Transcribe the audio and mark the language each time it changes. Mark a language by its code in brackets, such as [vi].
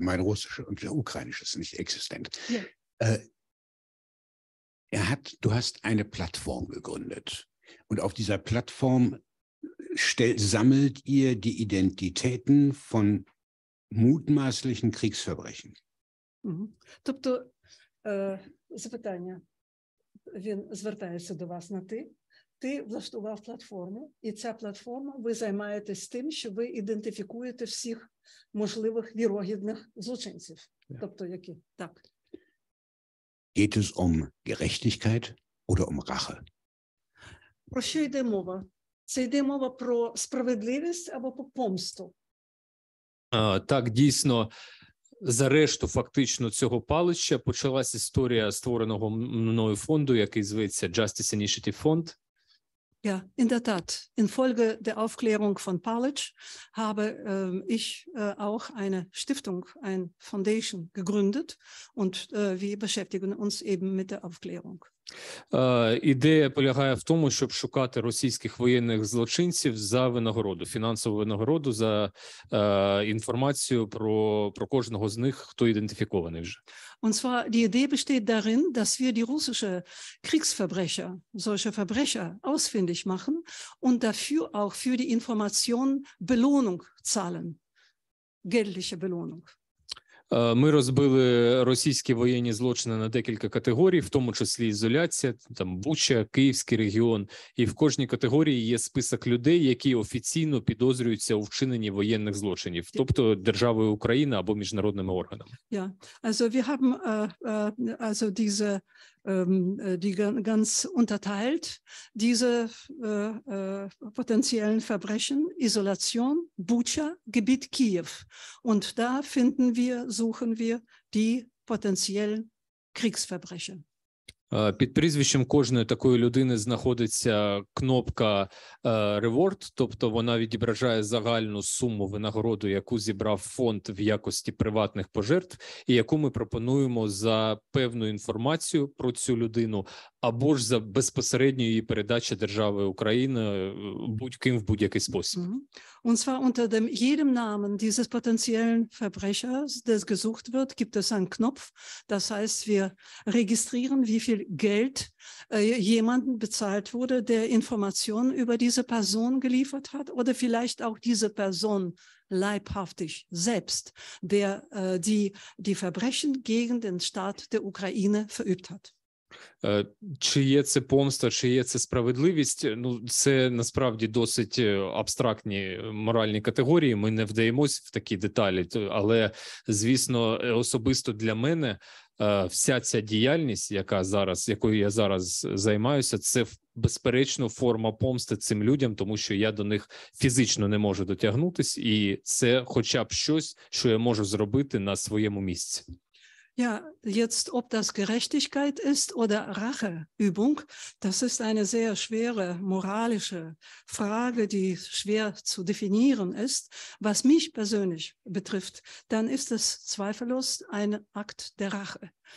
[de] Mein Russisch und Ukrainisch ist nicht existent. Ja. Du hast eine Plattform gegründet und auf dieser Plattform sammelt ihr die Identitäten von мутмасліхін кріксфабрехін. [uk] Тобто, запитання, він звертається до вас на ти. Ти влаштував платформу, і ця платформа, ви займаєтесь тим, що ви ідентифікуєте всіх можливих вірогідних злочинців. [en] Yeah. [uk] Тобто, які? Так. [de] Geht es um Gerechtigkeit oder um Rache? [uk] Про що йде мова? Це йде мова про справедливість або про помсту? Так, дійсно, за решту фактично цього палища почалась історія створеного мною фонду, який зветься Justice Initiative Fund. [de] Ja, in der Tat. Infolge der Aufklärung von Palic habe ich auch eine Stiftung, ein Foundation gegründet und wir beschäftigen uns eben mit der Aufklärung. [uk] Ідея полягає в тому, щоб шукати російських воєнних злочинців за винагороду, фінансову винагороду за інформацію про кожного з них, хто ідентифікований вже. [de] Und zwar die Idee besteht darin, dass wir die russische Kriegsverbrecher, solche Verbrecher ausfindig machen und dafür auch für die Information Belohnung zahlen, geldliche Belohnung. [uk] Ми розбили російські воєнні злочини на декілька категорій, в тому числі ізоляція, там Буча, Київський регіон. І в кожній категорії є список людей, які офіційно підозрюються у вчиненні воєнних злочинів, тобто державою України або міжнародними органами. [de] Ja, also wir haben also diese die ganz unterteilt diese potenziellen Verbrechen, Isolation, Bucha, Gebiet Kiew. Und da finden wir, suchen wir die potenziellen Kriegsverbrechen. [uk] Під прізвищем кожної такої людини знаходиться кнопка Reward, тобто вона відображає загальну суму винагороду, яку зібрав фонд в якості приватних пожертв, і яку ми пропонуємо за певну інформацію про цю людину, або ж за безпосередню її передачу держави України будь-ким в будь-який спосіб. [de] Und zwar unter dem jedem Namen dieses potenziellen Verbrechers, der gesucht wird, gibt es einen Knopf. Das heißt, wir registrieren, wie viel Geld jemanden bezahlt wurde, der Informationen über diese Person geliefert hat oder vielleicht auch diese Person leibhaftig selbst, der die Verbrechen gegen den Staat der Ukraine verübt hat. [uk] Чи є це помста, чи є це справедливість? Ну, це насправді досить абстрактні моральні категорії. Ми не вдаємось в такі деталі, але звісно, особисто для мене вся ця діяльність, якою я зараз займаюся, це безперечно форма помсти цим людям, тому що я до них фізично не можу дотягнутись, і це хоча б щось, що я можу зробити на своєму місці. [de] Ja, jetzt, ob das Gerechtigkeit ist oder Racheübung, das ist eine sehr schwere moralische Frage, die schwer zu definieren ist. Was mich persönlich betrifft, dann ist es zweifellos ein Akt der Rache.